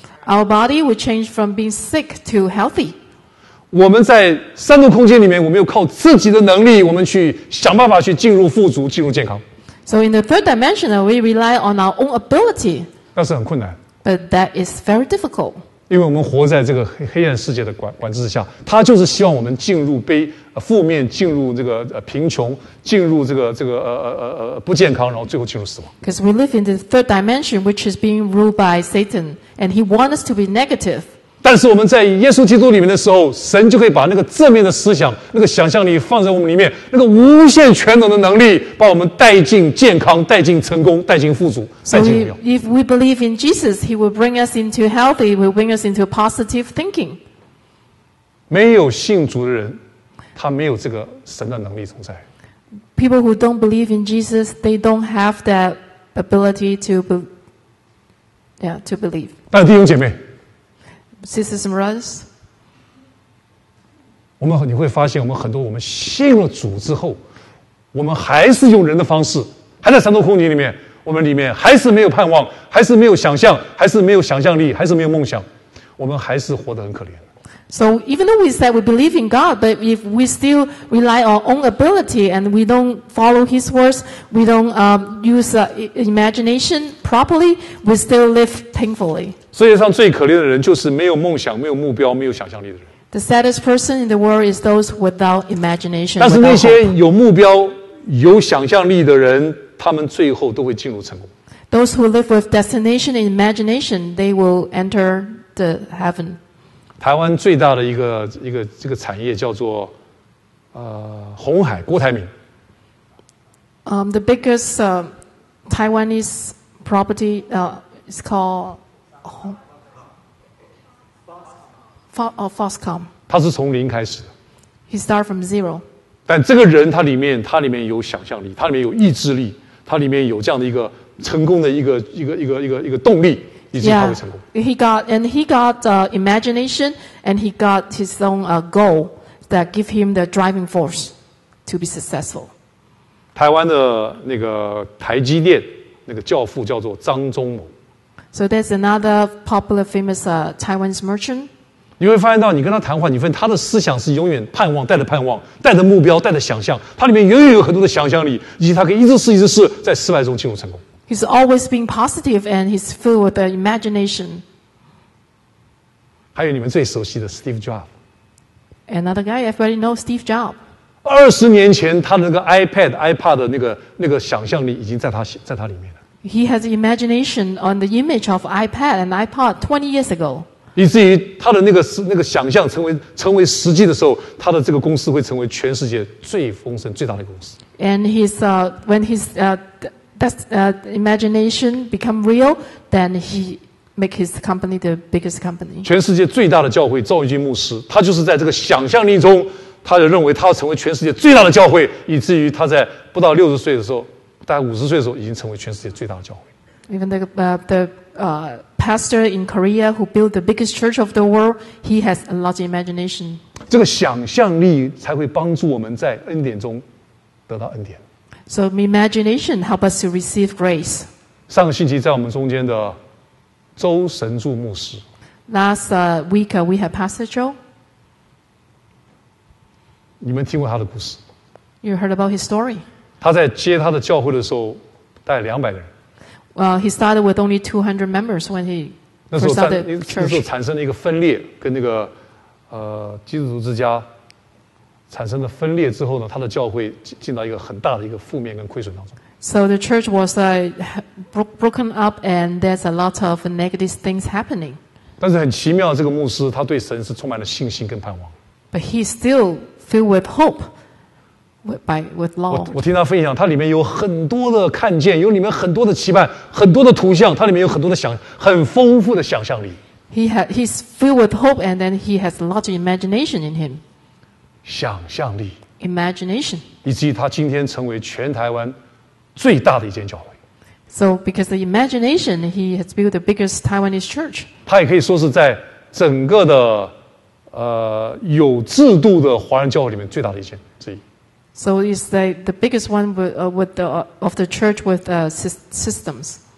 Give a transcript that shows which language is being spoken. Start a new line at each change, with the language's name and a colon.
English: Our body would change from being sick to healthy.
Chinese: 我们在三度空间里面，我们又靠自己的能力，我们去想办法去进入富足，进入健康。
English: So in the third dimension, we rely on our own ability.
Chinese: 那是很困难。
English: But that is very difficult.
Chinese: 因为我们活在这个黑暗世界的管制之下，他就是希望我们进入负面，进入这个贫穷，进入不健康，然后最后进入死亡。
English: Because we live in the third dimension, which is being ruled by Satan, and he wants us to be negative.
Chinese: 但是我们在耶稣基督里面的时候，神就可以把那个正面的思想、那个想象力放在我们里面，那个无限全能的能力，把我们带进健康、带进成功、带进富足、带进荣耀。
English: So if we believe in Jesus, He will bring us into healthy, will bring us into positive thinking.
Chinese: 没有信主的人，他没有这个神的能力存在。
English: People who don't believe in Jesus, they don't have that ability to believe.
Chinese: 但弟兄姐妹。
English: Sisters and brothers,
Chinese: 我们你会发现，我们很多我们信了主之后，我们还是用人的方式，还在三度空间里面，我们里面还是没有盼望，还是没有想象，还是没有想象力，还是没有梦想，我们还是活得很可怜。
English: So even though we said we believe in God, but if we still rely on our own ability and we don't follow His words, we don't use imagination properly, we still live painfully.
Chinese: 世界上最可怜的人就是没有梦想、没有目标、没有想象力的人。
English: The saddest person in the world is those without imagination.
Chinese: 但是那些有目标、有想象力的人，他们最后都会进入成功。
English: Those who live with destination and imagination, they will enter the heaven.
Chinese: 台湾最大的一个产业叫做鸿海郭台铭。
English: The biggest Taiwanese property is called Foxconn.
Chinese: 他是从零开始。
English: He started from zero.
Chinese: 但这个人他里面有想象力，他里面有意志力，他里面有这样的一个成功的一个动力。
English: Yeah, he got imagination, and he got his own goal that give him the driving force to be successful.
Chinese: 台湾的那个台积电那个教父叫做张忠谋。
English: So there's another popular famous Taiwanese merchant.
Chinese: 你会发现到你跟他谈话，你发现他的思想是永远盼望，带着盼望，带着目标，带着想象，他里面永远有很多的想象力，以及他可以一直试，一直试，在失败中进入成功。
English: He's always been positive, and he's filled with the imagination.
Chinese: 还有你们最熟悉的 Steve Jobs.
English: Another guy, everybody knows Steve Jobs.
Chinese: 二十年前，他的那个 iPad、iPod 的那个想象力已经在他里面了。
English: He has imagination on the image of iPad and iPod 20 years ago.
Chinese: 以至于他的那个想象成为实际的时候，他的这个公司会成为全世界最丰盛、最大的公司。
English: And his when his That's imagination become real, then he make his company the biggest company.
Chinese: 全世界最大的教会赵玉军牧师，他就是在这个想象力中，他就认为他要成为全世界最大的教会，以至于他在不到六十岁的时候，大概五十岁的时候，已经成为全世界最大的教会。
English: Even the pastor in Korea who built the biggest church of the world, he has a lot of imagination.
Chinese: 这个想象力才会帮助我们在恩典中得到恩典。
English: So imagination help us to receive grace.
Chinese: 上个星期在我们中间的周神柱牧师。
English: Last week we had Pastor Joe.
Chinese: 你们听过他的故事。
English: You heard about his story.
Chinese: 他在接他的教会的时候带两百人。
English: Well, he started with only 200 members when he first started the church.
Chinese: 那时候产生了一个分裂，跟那个基督徒之家。产生了分裂之后呢，他的教会进到一个很大的一个负面跟亏损当中。
English: So the church was broken up, and there's a lot of negative things happening.
Chinese: 但是很奇妙，这个牧师他对神是充满了信心跟盼望。
English: But he still filled with hope, with Lord.
Chinese: 我听他分享，他里面有很多的看见，有里面很多的期盼，很多的图像，他里面有很多的想，很丰富的想象力。
English: He's filled with hope, and then he has a lot of imagination in him.
Chinese: 想象力
English: imagination
Chinese: 以至于他今天成为全台湾最大的一间教会
English: So because the imagination he has built the biggest Taiwanese church
Chinese: 他也可以说是在整个的有制度的华人教会里面最大的一间之一
English: So it's the biggest one of the church with systems